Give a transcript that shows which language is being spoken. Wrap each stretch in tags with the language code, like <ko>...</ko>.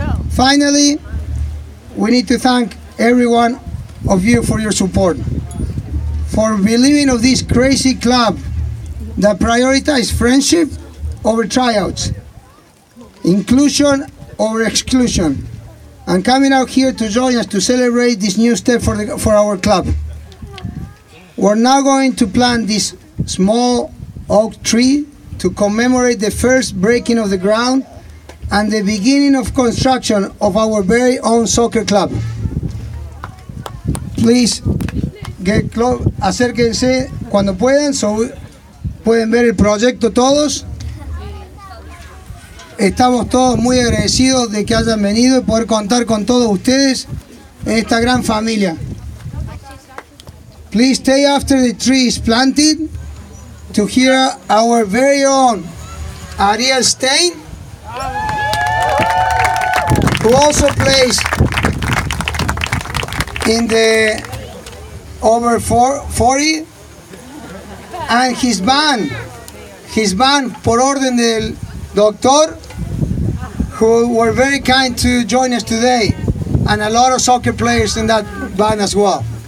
<en>Finally, we need to thank every one of you for your support, for believing of this crazy club that prioritizes friendship over tryouts, inclusion over exclusion, and coming out here to join us to celebrate this new step for our club. We're now going to plant this small oak tree to commemorate the first breaking of the ground and the beginning of construction of our very own soccer club. Please get close,</en> <es>acérquense cuando puedan, so pueden ver el proyecto todos. Estamos todos muy agradecidos de que hayan venido y poder contar con todos ustedes en esta gran familia.</es> <en>Please stay after the tree is planted to hear our very own Ariel Stein, who also plays in the over 40, and his band, por orden del doctor, who were very kind to join us today, and a lot of soccer players in that band as well.</en>